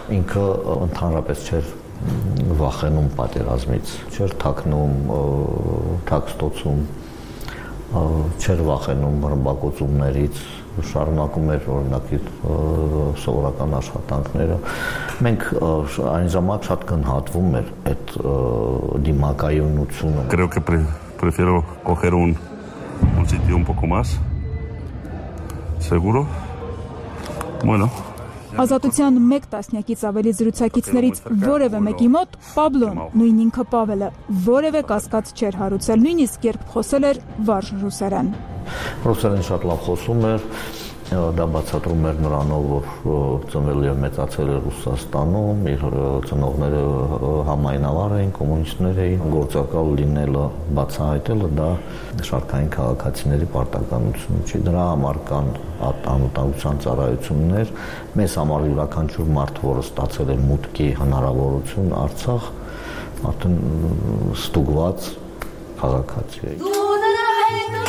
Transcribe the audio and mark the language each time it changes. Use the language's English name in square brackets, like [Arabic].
[Armenian] Ինքը ընդհանրապես չէր վախենում պատերազմից, չէր թաքնում, թաքստոցում, չէր վախենում ռմբակոծումներից, շարունակում էր օրինակ սովորական աշխատանքները։ Մենք այն ժամանակ շատ գնահատվում էր այդ դիմակայունությունը։ [Spanish] Creo que prefiero coger un sitio un poco más seguro. Bueno, [Armenian] ազատության մեկ տասնյակից ավելի զրուցակիցներից որևէ մեկի մոտ Պաբլոն, նույն ինքը Պավելը, որևէ կասկած չէր հարուցել, նույնիսկ երբ խոսել էր վարժ ռուսերեն։ Ռուսերեն շատ լավ խոսում էր, դա բացատրում էր նրանով, որ ծնվել և մեծացել էր Ռուսաստանում, իր ծնողները համայնավար էին, կոմունիստներ էին, գործակալ լինելը, բացահայտելը, դա շարքային քաղաքացիների պարտականություն չի, դրա համար կան անվտանգության ծառայություններ։ Մեզ համար յուրաքանչյուր մարդ, որը ստացել էր մուտքի հնարավորություն Արցախ, արդեն ստուգված քաղաքացի է։